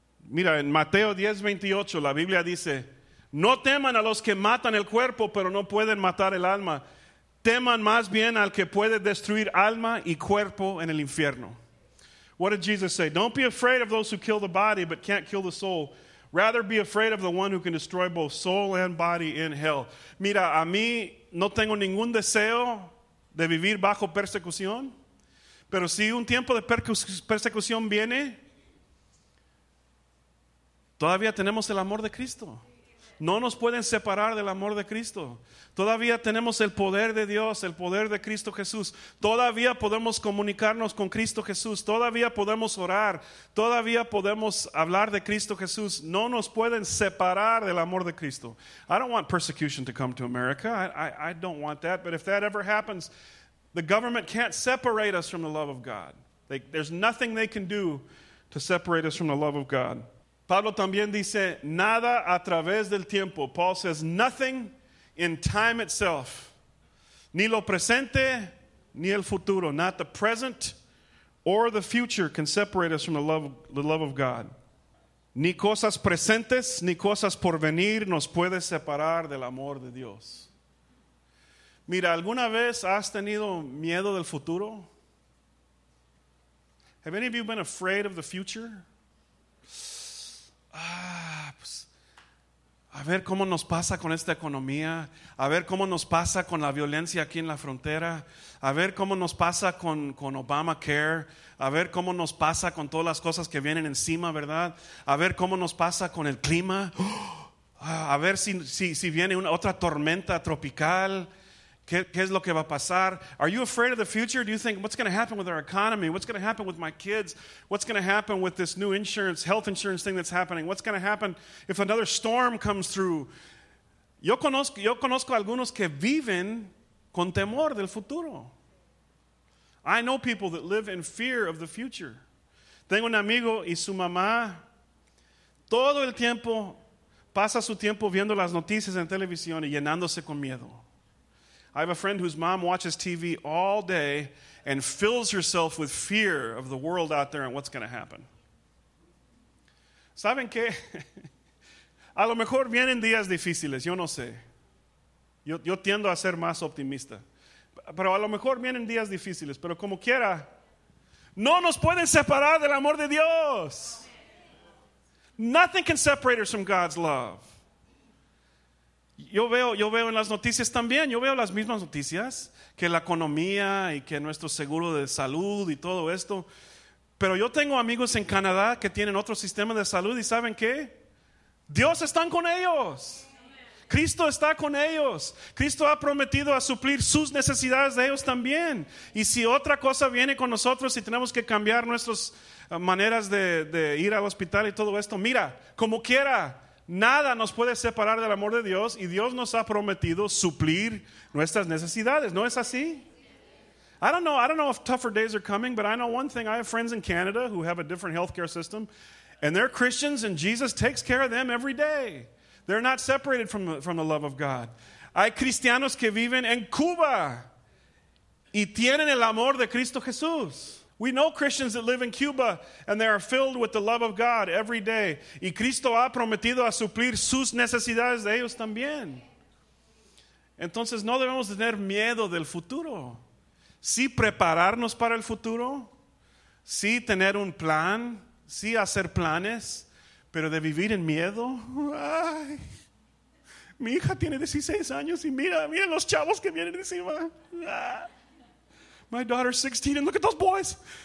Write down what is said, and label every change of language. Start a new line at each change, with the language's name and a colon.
Spanish: Mira, en Mateo 10:28, la Biblia dice, no teman a los que matan el cuerpo, pero no pueden matar el alma. Teman más bien al que puede destruir alma y cuerpo en el infierno.
English: What did Jesus say? Don't be afraid of those who kill the body but can't kill the soul. Rather be afraid of the one who can destroy both soul and body in hell.
Spanish: Mira, a mí no tengo ningún deseo de vivir bajo persecución. Pero si un tiempo de persecución viene, todavía tenemos el amor de Cristo. No nos pueden separar del amor de Cristo. Todavía tenemos el poder de Dios, el poder de Cristo Jesús. Todavía podemos comunicarnos con Cristo Jesús. Todavía podemos orar. Todavía podemos hablar de Cristo Jesús. No nos pueden separar del amor de Cristo.
English: I don't want persecution to come to America. I don't want that. But if that ever happens, the government can't separate us from the love of God. There's nothing they can do to separate us from the love of God.
Spanish: Pablo también dice, nada a través del tiempo.
English: Paul says, nothing in time itself.
Spanish: Ni lo presente, ni el futuro.
English: Not the present or the future can separate us from the love of God.
Spanish: Ni cosas presentes, ni cosas por venir nos puede separar del amor de Dios. Mira, ¿alguna vez has tenido miedo del futuro?
English: Have any of you been afraid of the future?
Spanish: Pues, a ver cómo nos pasa con esta economía, a ver cómo nos pasa con la violencia aquí en la frontera, a ver cómo nos pasa con Obamacare, a ver cómo nos pasa con todas las cosas que vienen encima, ¿verdad? A ver cómo nos pasa con el clima, a ver si viene otra tormenta tropical. ¿Qué es lo que va a pasar?
English: Are you afraid of the future? Do you think, what's going to happen with our economy? What's going to happen with my kids? What's going to happen with this new insurance, health insurance thing that's happening? What's going to happen if another storm comes through?
Spanish: Yo conozco algunos que viven con temor del futuro.
English: I know people that live in fear of the future.
Spanish: Tengo un amigo y su mamá todo el tiempo pasa su tiempo viendo las noticias en televisión y llenándose con miedo.
English: I have a friend whose mom watches TV all day and fills herself with fear of the world out there and what's going to happen.
Spanish: ¿Saben qué? A lo mejor vienen días difíciles, yo no sé. Yo tiendo a ser más optimista. Pero a lo mejor vienen días difíciles, pero como quiera, no nos pueden separar del amor de Dios.
English: Nothing can separate us from God's love.
Spanish: Yo veo en las noticias también, yo veo las mismas noticias, que la economía y que nuestro seguro de salud y todo esto. Pero yo tengo amigos en Canadá que tienen otro sistema de salud y ¿saben qué? Dios está con ellos. Cristo está con ellos. Cristo ha prometido a suplir sus necesidades de ellos también. Y si otra cosa viene con nosotros y tenemos que cambiar nuestras maneras de ir al hospital y todo esto, mira, como quiera. Nada nos puede separar del amor de Dios y Dios nos ha prometido suplir nuestras necesidades. ¿No es así?
English: I don't know if tougher days are coming, but I know one thing. I have friends in Canada who have a different healthcare system and they're Christians and Jesus takes care of them every day. They're not separated from the love of God.
Spanish: Hay cristianos que viven en Cuba y tienen el amor de Cristo Jesús.
English: We know Christians that live in Cuba and they are filled with the love of God every day.
Spanish: Y Cristo ha prometido a suplir sus necesidades de ellos también. Entonces no debemos tener miedo del futuro. Sí prepararnos para el futuro. Sí tener un plan. Sí hacer planes. Pero de vivir en miedo. Ay, mi hija tiene 16 años y mira los chavos que vienen encima. Ah.
English: My daughter's 16 and look at those boys.